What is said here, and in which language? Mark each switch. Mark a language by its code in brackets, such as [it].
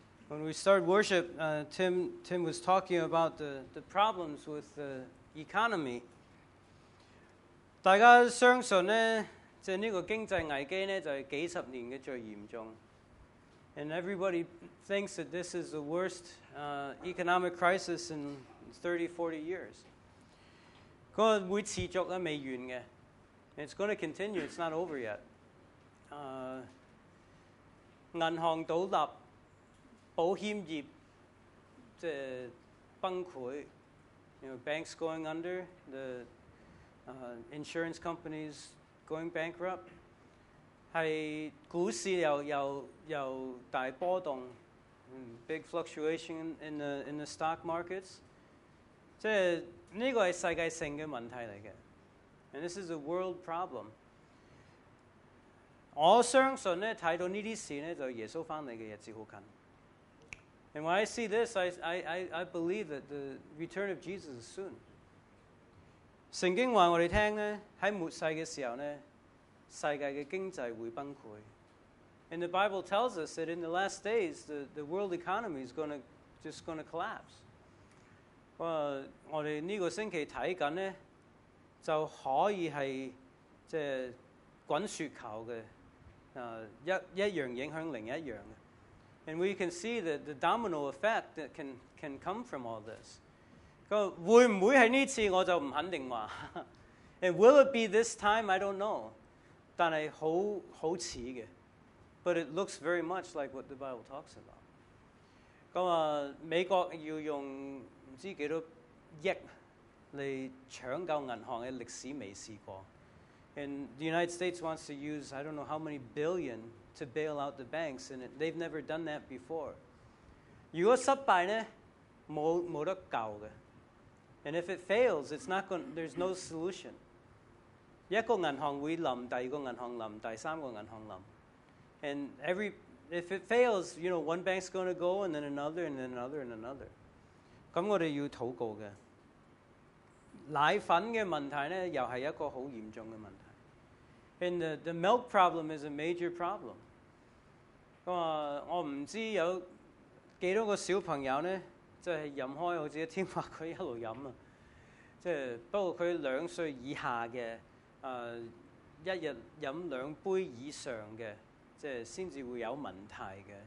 [en] When we started worship, Tim was talking about the problems with the economy. [yue] 大家相信呢，就呢個經濟危機呢，就係幾十年嘅最嚴重。 [en] And everybody thinks that this is the worst economic crisis in 30, 40 years. [yue] 嗰個會持續啊，未完嘅。 [en] It's going to continue, it's not over yet. [yue] 銀行倒閉，保險業即崩潰， [en] you know, banks going under, the insurance companies going bankrupt, [yue] 係股市又大波動， [en] big fluctuation in the stock markets, [yue] 即呢個係世界性嘅問題嚟嘅， [en] and this is a world problem. [yue] 我相信咧睇到呢啲事咧，就耶穌翻嚟嘅日子好近。 [en] And when I see this, I believe that the return of Jesus is soon. [yue] 聖經話我哋聽咧，喺末世嘅時候咧，世界嘅經濟會崩潰。 [en] And the Bible tells us that in the last days, the world economy is going to collapse. [yue] 我哋呢個星期睇緊咧，就可以係即係滾雪球嘅，一樣影響另一樣。 [en] And we can see that the domino effect that can come from all this. [yue] 會唔會係呢次我就唔肯定話。 [en] And will it be this time? I don't know. [yue] 但係好似嘅。 [en] But it looks very much like what the Bible talks about. [yue] 咁啊，美國要用唔知幾多億嚟搶救銀行嘅歷史未試過。 [en] And the United States wants to use I don't know how many billion. To bail out the banks, and they've never done that before. [yue] 如果失敗呢，冇得救嘅。 [en] And if it fails, it's not going. There's no solution. [yue] 一個銀行會冧，第二個銀行冧，第三個銀行冧。 [en] And if it fails, you know, one bank's going to go, and then another, and then another, and another. [yue] 咁我哋要禱告嘅。奶粉嘅問題呢，又係一個好嚴重嘅問題。 [en] And the milk problem is a major problem. [yue] 我唔知有幾多個小朋友咧，即係飲開，好似天話佢一路飲啊。即係不過佢兩歲以下嘅，一日飲兩杯以上嘅，即係先至會有問題嘅。